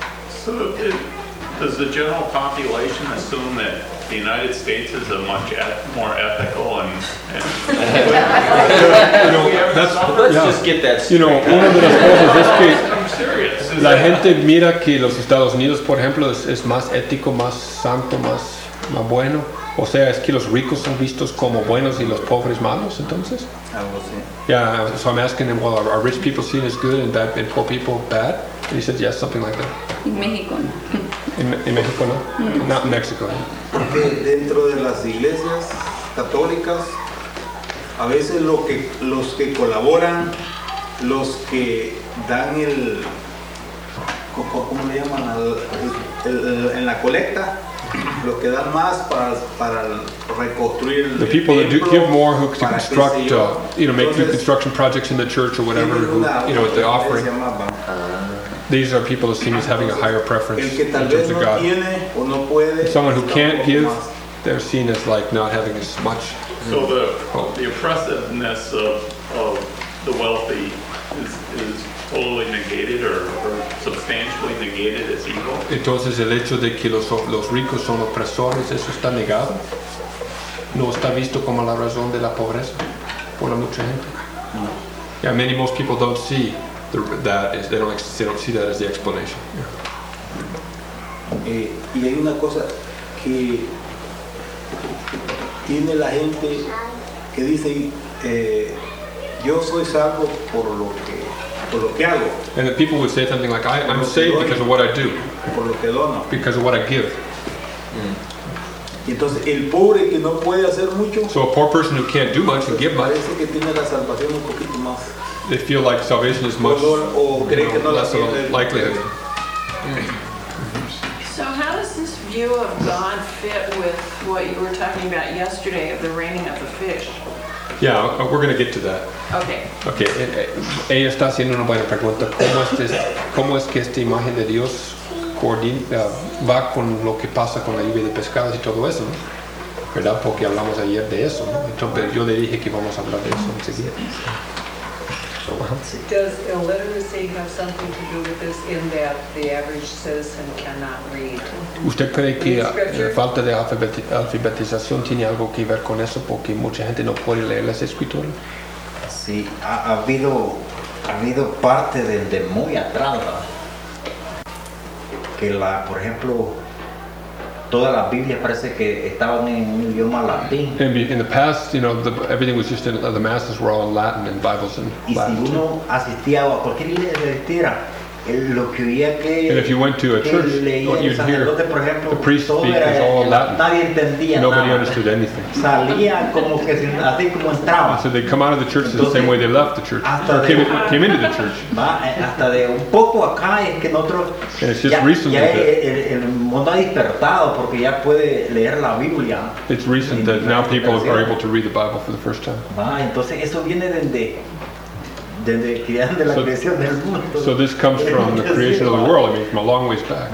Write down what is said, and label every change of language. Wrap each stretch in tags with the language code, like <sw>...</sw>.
<en>So, does the general population assume that the United States is a much more ethical and? Just get that. You know, one of the responses is that. I'm serious.</en> <es>La gente mira que los Estados Unidos, por ejemplo, es más ético, más santo, más bueno. O sea, es que los ricos son vistos como buenos y los pobres malos, entonces. Algo así.</es> <en>Yeah, so I'm asking him, well, are rich people seen as good and bad, and poor people bad? And he said, yes, something like that.</en> <es>En México, no. En México, no. No.</es> <en>Not in Mexico.</en> <es>No. Porque dentro de las iglesias católicas, a veces los que colaboran, los que dan el, ¿cómo le llaman? En la colecta.</es> <en>The people that do give more, who can construct, you know, make new construction projects in the church or whatever, who, you know, the offering. These are people that seem as having a higher preference in terms of God. Someone who can't give, they're seen as like not having as much. So the oppressiveness of the wealthy is totally negated or substantially negated as evil.</en> <es>Entonces el hecho de que los ricos son opresores, eso está negado. No está visto como la razón de la pobreza por la mucha gente. No.</es> <en>Yeah, most people don't see they don't see that as the explanation. Yeah.</en> <es>Y hay una cosa que tiene la gente que dice yo soy salvo por lo que hago.</es> <en>And the people would say something like, I'm saved because of what I do.</en> <es>Por lo que dono.</es> <en>Because of what I give.</en> <es>Y entonces, el pobre que no puede hacer mucho,</es> <en>so a poor person who can't do much and give much,</en> <es>parece que tiene la salvación un poquito más.</es> <en>They feel like salvation is much less of a likelihood. So how does this view of God fit with what you were talking about yesterday of the raining of the fish? Yeah, we're going to get to that. Okay.</en> <es>Okay. Ella está haciendo una buena pregunta. ¿Cómo es que esta imagen de Dios va con lo que pasa con la lluvia de pescados y todo eso, ¿no? ¿Verdad? Porque hablamos ayer de eso, ¿no? Entonces, yo le dije que vamos a hablar de eso enseguida.</es> <en>Does illiteracy have something to do with this in that the average citizen cannot read?</en> <es>¿Usted cree que la falta de alfabetización tiene algo que ver con eso porque mucha gente no puede leer las escrituras? Sí, ha habido parte de muy atrás, que la, por ejemplo, toda la Biblia parece que estaban en un idioma latín.</es> <en>In the past, you know, everything was just in the masses were all in Latin and Bibles in Latin.</en> <es>Y si uno asistía a cualquier iglesia, lo que oía que</es> <en>and if you went to a church, what you'd hear,</en> <es>por ejemplo,</es> <en>the priest speak is all Latin.</en> <es>Nadie entendía nada.</es> <en>Nobody understood anything.</en> <es>Salía como que así como entraba.</es> <en>So they come out of the church the same way they left the church. Came into the church.</en> <es>Hasta de un poco acá es que nosotros</es> <en>and it's just recently</en> <es>ya el mundo ha despertado porque ya puede leer la Biblia.</es> <en>It's recent that now people are able to read the Bible for the first time.</en> <es>Entonces eso viene desde la creación del mundo.</es> <en>So this comes from the creation of the world, I mean, from a long ways back.</en>